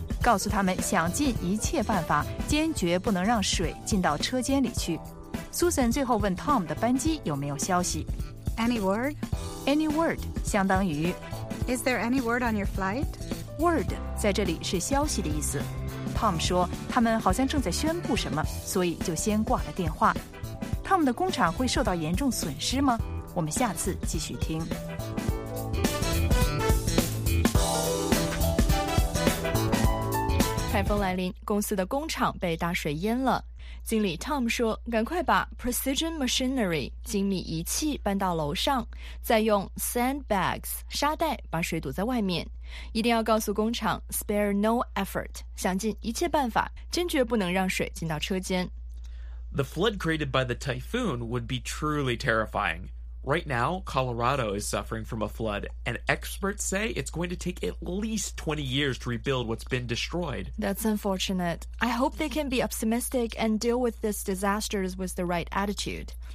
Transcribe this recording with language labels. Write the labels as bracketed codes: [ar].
[zh] 告诉他们想尽一切办法坚决不能让水进到车间里去。 Susan 最后问 Tom 的班机有没有消息。 [en] Any word? [zh] Any word 相当于 [en] Is there any word on your flight? [zh] Word 在这里是消息的意思。Tom 说他们好像正在宣布什么，所以就先挂了电话。 Tom 的工厂会受到严重损失吗？我们下次继续听。台风来临，公司的工厂被大水淹了。经理 Tom 说，赶快把 Precision Machinery 精密仪器搬到楼上，再用 Sandbags 沙袋把水堵在外面。一定要告诉工厂 Spare no effort， 想尽一切办法，坚决不能让水进到车间。 [en] The flood created by the typhoon would be truly terrifying. Right now, Colorado is suffering from a flood, and experts say it's going to take at least 20 years to rebuild what's been destroyed. That's unfortunate. I hope they can be optimistic and deal with this disaster with the right attitude.